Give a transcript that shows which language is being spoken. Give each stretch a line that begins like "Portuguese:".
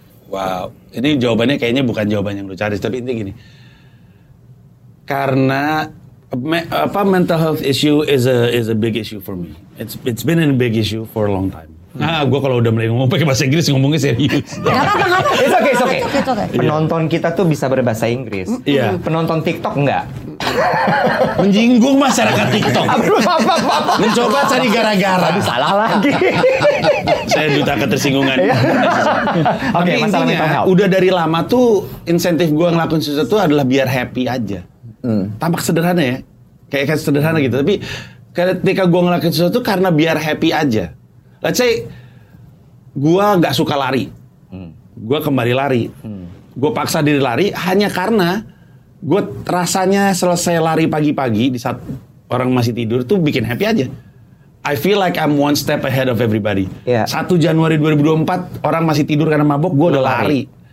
Indonesian: Wow, ini jawabannya kayaknya bukan jawaban yang lu cari, tapi intinya gini. Karena apa
English: mental health issue is a big issue for me. It's been a big issue for a long time.
Indonesian: Nah, gue kalau udah mulai ngomong pakai bahasa Inggris ngomongnya serius. Gak apa-apa.
English: It's okay.
Indonesian: Penonton kita tuh bisa berbahasa Inggris. Iya. Penonton TikTok enggak? Menyinggung masyarakat TikTok. Apa-apa. Mencoba cari gara-gara. Aduh, salah lagi. Saya duta ketersinggungan. Oke, okay, masalah mental health. Udah dari lama tuh insentif gue ngelakuin sesuatu adalah biar happy aja. Tampak sederhana ya. Kayak sederhana gitu. Tapi ketika gue ngelakuin sesuatu karena biar happy aja.
English: Let's say,
Indonesian: gue gak suka lari. Gue kembali lari. Gue paksa diri lari hanya karena gue rasanya selesai lari pagi-pagi di saat orang masih tidur tuh bikin happy aja.
English: I feel like I'm one step ahead of everybody. Yeah.
Indonesian: 1 Januari 2024, orang masih tidur karena mabok, gue udah lari.